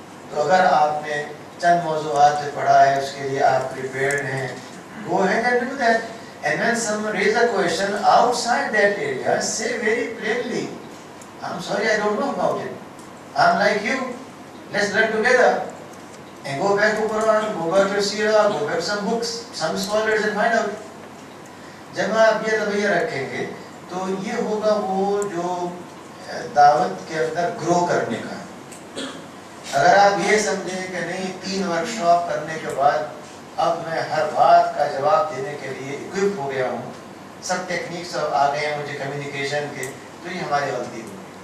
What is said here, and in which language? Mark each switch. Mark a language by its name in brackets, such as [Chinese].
[Urdu] تو اگر آپ نے چند موضوعات پڑھا ہے اس کے لیے آپ پریپیئرڈ ہیں، [English] Go ahead and do that. And when someone raises a question outside that area, say very plainly, I'm sorry, I don't know about it. I'm like you. Let's learn together. And go back to Quran, go back to Sira, go back to some books, some scholars and find out. [Urdu] جب آپ یہ رویہ رکھیں گے تو یہ ہوگا وہ جو دعوت کے اندر گرو کرنے کا. اگر آپ یہ سمجھیں کہ نہیں 3 ورکشاپ کرنے کے بعد اب میں ہر بات کا جواب دینے کے لیے اکوپ ہو گیا ہوں، سب ٹیکنیکس اب آ گئے ہیں مجھے کمیونیکیشن کے، تو یہ ہماری غلطی ہوگی.